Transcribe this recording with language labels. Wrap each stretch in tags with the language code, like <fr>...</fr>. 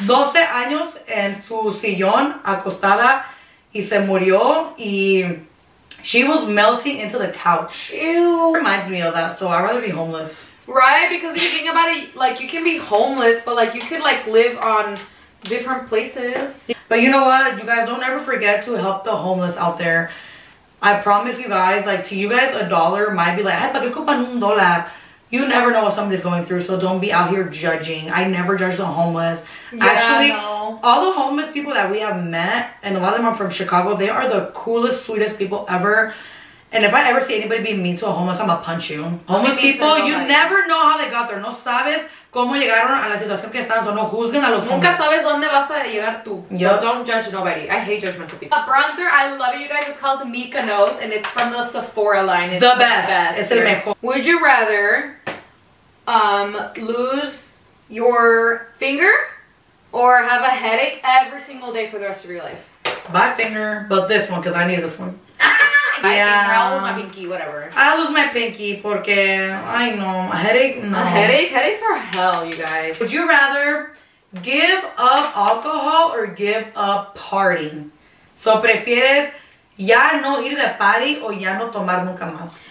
<es>12 años en su sillón acostada y se murió y...</es> <en>She was melting into the couch. Ew. Reminds me of that, so I'd rather be homeless. Right, because if you think about it, like, you can be homeless, but, like, you could, like, live on different places. But you know what? You guys, don't ever forget to help the homeless out there. I promise you guys, like, to you guys, a dollar might be like, hey,</en> <es>¿para qué ocupan un dólar?</es> <en>You never know what somebody's going through, so don't be out here judging. I never judge the homeless. Yeah, actually, no. All the homeless people that we have met, and a lot of them are from Chicago, they are the coolest, sweetest people ever. And if I ever see anybody being mean to a homeless, I'm gonna punch you. Homeless people, you never know how they got there.</en> <es>No sabes cómo llegaron a la situación que están, so no juzguen a los homeless. Nunca sabes dónde vas a llegar tú.</es> <en>Yep. So don't judge nobody. I hate judgmental people. A bronzer, I love it, you guys. It's called Mika Nose, and it's from the Sephora line. It's the best. Here.</en> <es>Es el mejor.</es> <en>Would you rather lose your finger or have a headache every single day for the rest of your life? My finger, but this one, because I need this one. Yeah. I'll lose my pinky, whatever. I'll lose my pinky, porque, I know, a headache, no. A headache? Headaches are hell, you guys. Would you rather give up alcohol or give up partying?</en> <es>So, prefieres ya no ir de party o ya no tomar nunca más?</es>